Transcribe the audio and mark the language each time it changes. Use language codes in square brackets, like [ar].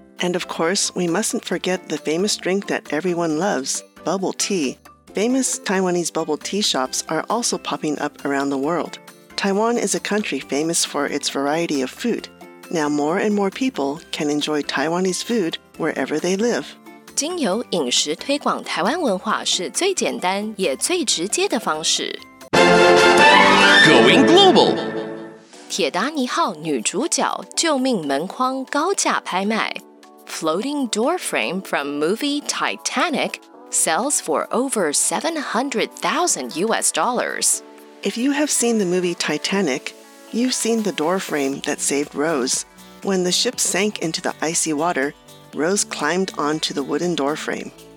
[en] And of course, we mustn't forget the famous drink that everyone loves, bubble tea. Famous Taiwanese bubble tea shops are also popping up around the world. Taiwan is a country famous for its variety of food. Now more and more people can enjoy Taiwanese food wherever they live. [zh] 经由饮食推广台湾文化是最简单也最直接的方式。 [en] Going global. [zh] 铁达尼号女主角救命门框高价拍卖。 [en] Floating doorframe from movie Titanic sells for over $700,000. If you have seen the movie Titanic, you've seen the doorframe that saved Rose. When the ship sank into the icy water,Rose climbed onto the wooden doorframe.